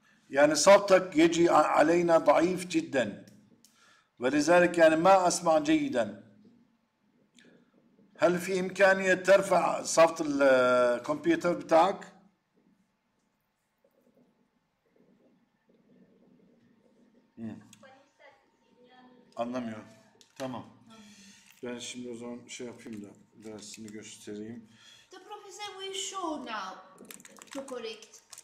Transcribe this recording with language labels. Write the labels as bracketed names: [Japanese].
[Arabic] يعني صوتك يجي علينا ضعيف جدا ولذلك يعني ما أسمع جيدا هل في إمكانية ترفع صوت الكمبيوتر بتاعك [Turkish] Anlamıyorum. Tamam. Ben şimdi o zaman şey yapayım da dersini göstereyim. [English] The professor will show now to correct.